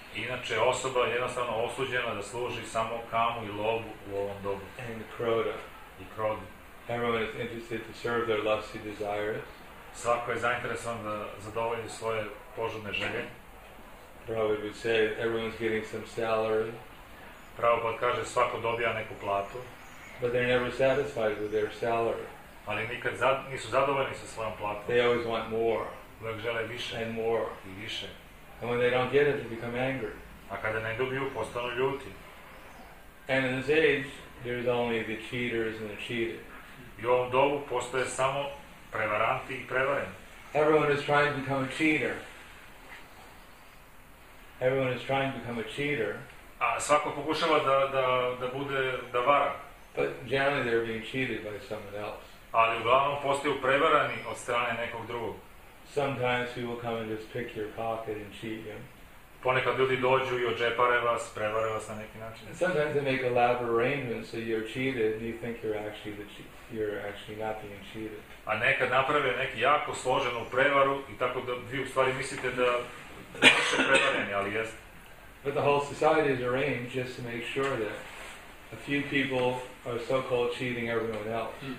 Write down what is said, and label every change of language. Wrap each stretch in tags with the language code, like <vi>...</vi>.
<sr>Inače osoba je jednostavno osuđena da služi samo kamu i lovu u ovom dobu.</sr> <en>And kroda.</en> <sr>I krodi.</sr> <en>Everyone is interested to serve their lusty desires.</en> <sr>Svako je zainteresovan da zadovolji svoje požudne želje.</sr> <en>Prabhupada would say everyone's getting some salary.</en> <sr>Prabhupada kaže svako dobija neku platu.</sr> <en>But they're never satisfied with their salary.</en> <sr>Ali nikad nisu zadovoljni sa svojom platom.</sr> <en>They always want more.</en> <sr>Uvijek žele više.</sr> <en>And more.</en> <sr>I više.</sr> <en>And when they don't get it, they become angry.</en> <sr>A kada ne dobiju, postanu ljuti.</sr> <en>And in this age, there's only the cheaters and the cheated.</en> <sr>I u ovom dobu postoje samo prevaranti i prevareni.</sr> <en>Everyone is trying to become a cheater. Everyone is trying to become a cheater.</en> <sr>A svako pokušava da, da, da bude da vara.</sr> <en>But generally they're being cheated by someone else.</en> <sr>Ali uglavnom postaju prevarani od strane nekog drugog.</sr> <en>Sometimes people come and just pick your pocket and cheat you.</en> <sr>Ponekad ljudi dođu i odžepare vas, prevare vas na neki način.</sr> <en>And sometimes they make elaborate arrangements so you're cheated and you think you're actually not being cheated.</en> <sr>A nekad naprave neki jako složenu prevaru i tako da vi u stvari mislite da ste prevareni, ali jeste.</sr> <en>But the whole society is arranged just to make sure that a few people are so-called cheating everyone else.</en>